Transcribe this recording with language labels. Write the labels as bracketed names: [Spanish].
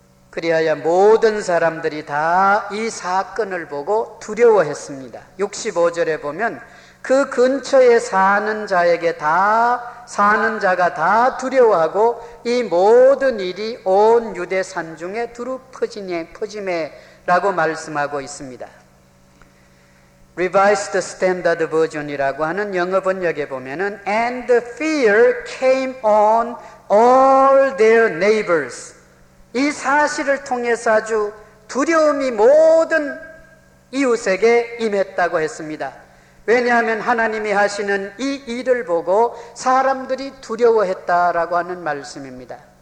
[Korean] 그리하여 모든 사람들이 다 이 사건을 보고 두려워했습니다. 65절에 보면 그 근처에 사는 자에게 다 사는 자가 다 두려워하고 이 모든 일이 온 유대 산중에 두루 퍼짐에라고 말씀하고 있습니다. [English] Revised Standard Version [Korean] 이라고 하는 영어 번역에 보면은 [English] And the fear came on all their neighbors. [Korean] 이 사실을 통해서 아주 두려움이 모든 이웃에게 임했다고 했습니다. 왜냐하면 하나님이 하시는 이 일을 보고 사람들이 두려워했다라고 하는 말씀입니다.